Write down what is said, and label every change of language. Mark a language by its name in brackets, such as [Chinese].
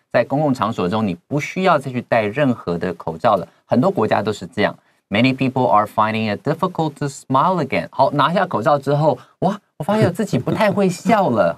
[Chinese] 在公共场所中你不需要再去戴任何的口罩了。很多国家都是这样。 [English] Many people are finding it difficult to smile again. [Chinese] 好拿下口罩之后哇我发现自己不太会笑了。